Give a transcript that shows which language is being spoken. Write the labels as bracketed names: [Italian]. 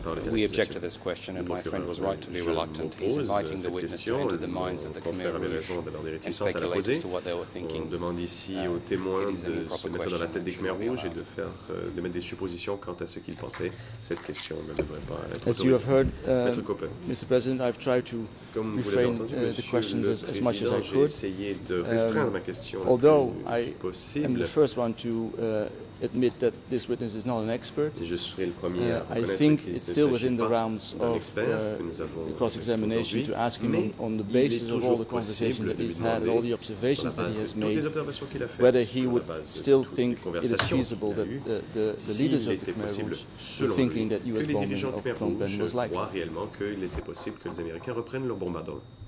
[English] We object to this question, and my friend was right to be reluctant. He's inviting the witness to enter the minds of the Khmer Rouge and speculate as to what they were thinking. [French] On demande ici aux témoins de se mettre dans la tête des Khmer Rouge et de mettre des suppositions quant à ce qu'ils pensaient. Cette question ne devrait pas être autorisée. [English] As you have heard, Mr. President, I've tried to refrain the questions as much as I could. [French] J'ai essayé de restreindre ma question le plus possible. [English] Although I am the first one to admit that this witness is not an expert. [French] Je serai le premier à [English] I think it's still within the realms of the cross-examination to ask him on the basis of all the conversations that he's had, all the observations that he has made, whether he would still think it is feasible that the leaders of the Khmer Rouge were thinking that U.S. bombing of Phnom Penh was likely. [French] Croit réellement qu'il était possible que les Américains reprennent leur bombardement.